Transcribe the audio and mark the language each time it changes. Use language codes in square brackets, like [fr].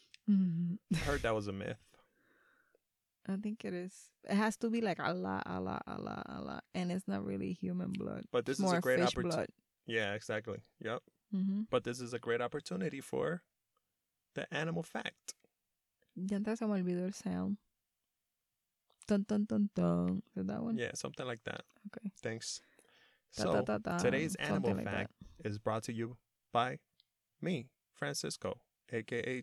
[en] Mm-hmm. I heard that was a myth. I think it is. It has to be like a lot. And it's not really human blood. But this it's is more a great opportunity. Yeah, exactly. Yep. Mm-hmm. But this is a great opportunity for the animal fact. [es] Ya antes se me olvidó el [en] sound. Dun, dun, dun, dun. Is that one? Yeah, something like that. Okay. Thanks. So, today's animal fact is brought to you by me, Francisco, a.k.a.